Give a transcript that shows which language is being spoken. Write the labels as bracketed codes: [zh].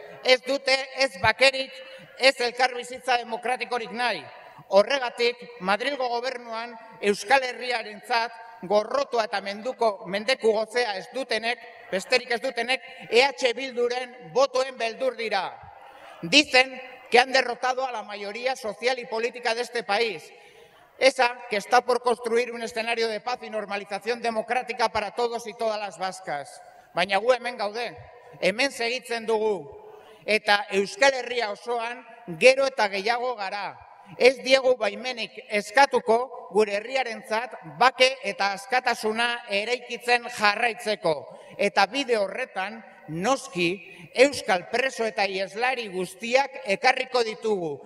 [eu] Ez dute ez bakerik, ez elkarbizitza demokratikorik nahi. Horregatik, Madrilgo gobernuan Euskal Herriarentzat gorrotua eta mendeku gozea ez dutenek, besterik ez dutenek, EH Bilduren botoen beldur dira. [es] Dicen que han derrotado a la mayoría social y política de este país, esa que está por construir un escenario de paz y normalización democrática para todos y todas las vascas. [eu] Baina gu hemen gaude, hemen segitzen dugu, eta Euskal Herria osoan gero eta gehiago gara. Ez diegu baimenik eskatuko gure herriarentzat bake eta askatasuna eraikitzen jarraitzeko. Eta bide horretan, noski, euskal preso eta ieslari guztiak ekarriko ditugu.